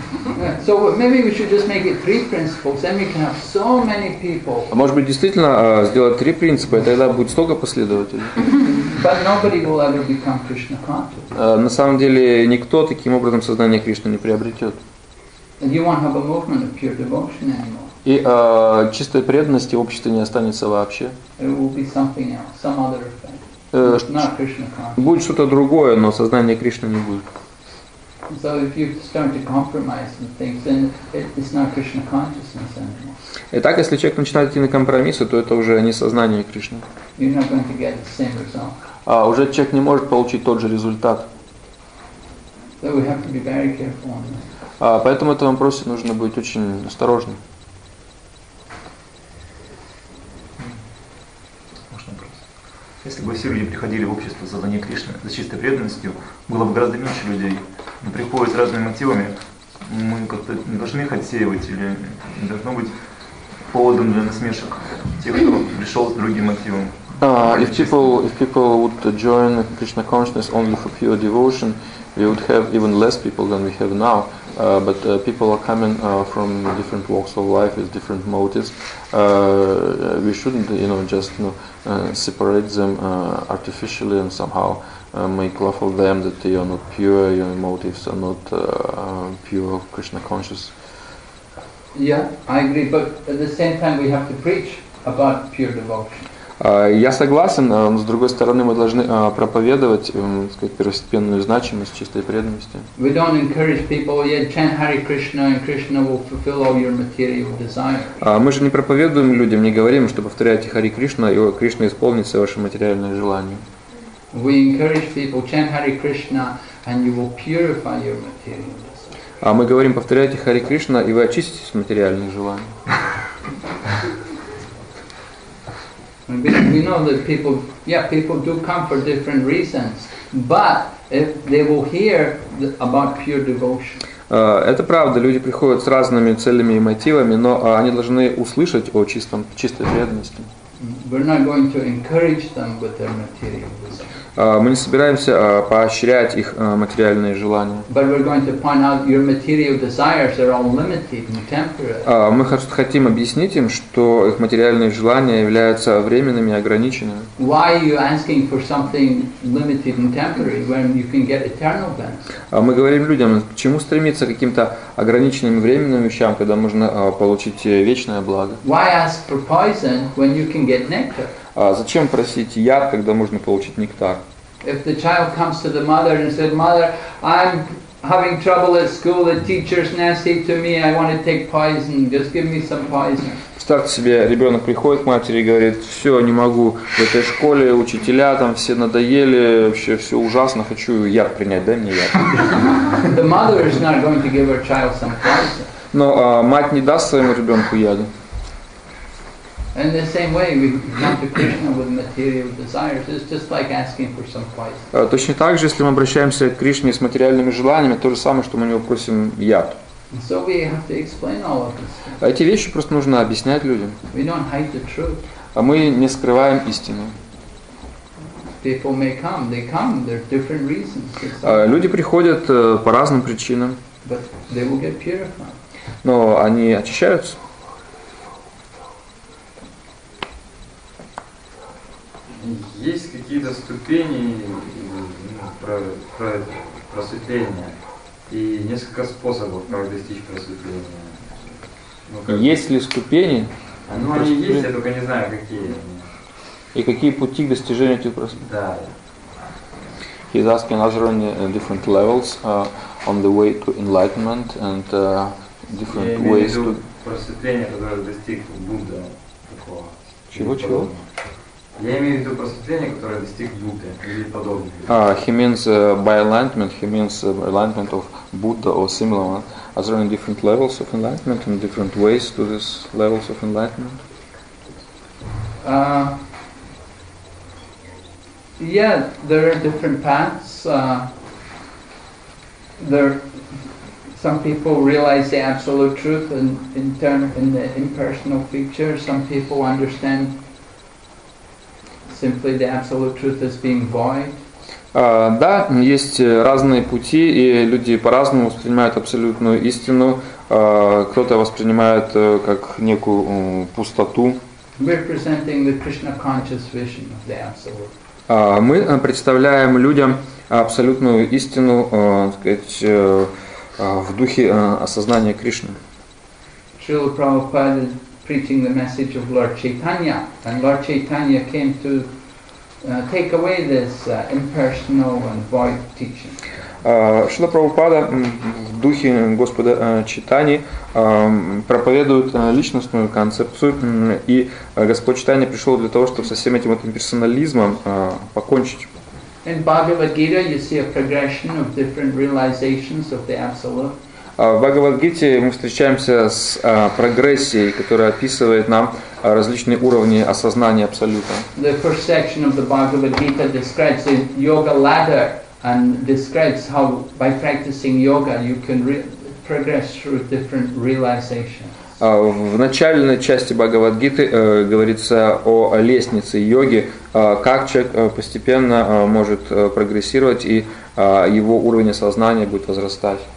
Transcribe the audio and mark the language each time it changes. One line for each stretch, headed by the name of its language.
Russian: Может быть, действительно сделать 3 принципа, и тогда будет столько последователей.
English: But nobody will ever become Krishna conscious.
Russian: На самом деле никто таким образом сознание Кришны не приобретет.
English: You won't have a movement of pure devotion anymore.
Russian: И чистой преданности общества не останется вообще.
English: It will be something else, some other thing. Not Krishna conscious.
Russian: Будет что-то другое, но сознание Кришны не будет.
English: So if you start to compromise and things, then it's not Krishna consciousness anymore.
Russian: Итак, если человек начинает идти на компромиссы, то это уже не сознание Кришны.
English: You're not going to get the same result.
Russian: Уже человек не может получить тот же результат.
English: So we have to be very careful on that.
Russian: Поэтому в этом вопросе нужно быть очень осторожным. Если бы все люди приходили в общество за знание Кришны, за чистой преданностью, было бы гораздо меньше людей. Но приходят с разными мотивами. Мы как-то не должны их отсеивать или не должно быть поводом для насмешек тех, кто пришел с другим мотивом.
English: If people would join Krishna consciousness only for pure devotion, we would have even less people than we have now, but people are coming from different walks of life with different motives. We shouldn't, you know, just, you know, separate them artificially and somehow make love of them, that they are not pure, your motives are not pure Krishna conscious. Yeah, I agree, but at the same time we have to preach about pure devotion.
Russian: Я согласен, но с другой стороны мы должны проповедовать, так сказать, первостепенную значимость чистой преданности.
English: We don't encourage people yet chant Hare Krishna and Krishna will fulfill all your material desires.
Russian: Мы же не проповедуем людям, не говорим, что повторяйте Хари Кришна, и Кришна исполнит все ваши материальные желания.
English: We encourage people chant Hare Krishna and you will purify your material desires.
Russian: А мы говорим, повторяйте Хари Кришна, и вы очиститесь от материальных желаний.
English: We know that people, yeah, people do come for different reasons, but if they will hear about pure devotion.
Russian: Это правда, люди приходят с разными целями и мотивами, но они должны услышать о чистом, чистой преданности.
English: We're not going to encourage them with their material desires.
Russian: Мы не собираемся поощрять их материальные желания.
English: But we're going to point out your material desires are all limited and temporary.
Russian: Мы хотим объяснить им, что их материальные желания являются временными и ограниченными.
English: Why are you asking for something limited and temporary when you can get eternal benefits?
Russian: Мы говорим людям, к чему стремиться к каким-то ограниченным временным вещам, когда можно получить вечное благо?
English: Why ask for poison when you can get nectar?
Russian: Зачем просить яд, когда можно получить нектар?
English: If the child comes to the mother and says, "Mother, I'm having trouble at school. The teacher's nasty to me. I want to take poison. Just give me some poison."
Russian: Представьте себе, ребенок приходит к матери и говорит: "Все, не могу в этой школе, учителя там все надоели, вообще все ужасно. Хочу яд принять. Дай мне яд."
English: The mother is not going to give her child some poison.
Russian: Но мать не даст своему ребенку яда.
English: In the same way, we come to Krishna with material desires. It's just like asking for some poison.
Russian: Точно так же, если мы обращаемся к Кришне с материальными желаниями, то же самое, что мы у него просим яд.
English: So we have to explain all of this.
Russian: Эти вещи просто нужно объяснять людям.
English: We don't hide the truth.
Russian: А мы не скрываем истину.
English: People may come. They come. There are different reasons.
Russian: Люди приходят по разным причинам.
English: But they will get purified.
Russian: Но они очищаются. Есть какие-то ступени, ну, просветления и несколько способов, как достичь просветления? Ну, как есть ли ступени? Ну, они есть, я только не знаю, какие они. И какие пути к достижению этих просветлений? Да.
English: He's asking us on different levels, on the way to enlightenment and different ways to...
Russian: просветление, которое достиг Будда. Чего-чего? Я имею в виду просветление, которое достиг Будды или подобное.
English: He means by enlightenment. He means enlightenment of Buddha or similar one. Are there any different levels of enlightenment and different ways to this levels of enlightenment? Yeah, there are different paths. There, some people realize the absolute truth in the impersonal feature. Some people understand simply the absolute truth is being void.
Russian: Да, есть разные пути, и люди по-разному воспринимают абсолютную истину. Кто-то воспринимает как некую пустоту.
English: We're presenting the Krishna conscious vision of the absolute.
Russian: Мы представляем людям абсолютную истину, так сказать, в духе осознания Кришны.
English: Srila Prabhupada preaching the message of Lord Chaitanya, and Lord Chaitanya came to take away this impersonal and void teaching.
Russian: Шрила Прабхупада в духе Господа Чайтаньи проповедует личностную концепцию, и Господь Чайтанья пришел для того, чтобы со всем этим имперсонализмом покончить.
English: In Bhagavad-gita you see a progression of different realizations of the absolute.
Russian: В Бхагавад-гите мы встречаемся с прогрессией, которая описывает нам различные уровни осознания Абсолюта.
English: The first section of the Bhagavad-gita describes the yoga ladder and describes how by practicing yoga you can progress through different realizations.
Russian: В начальной части Бхагавад-гиты говорится о лестнице йоги, как человек постепенно может прогрессировать и его уровень осознания будет возрастать.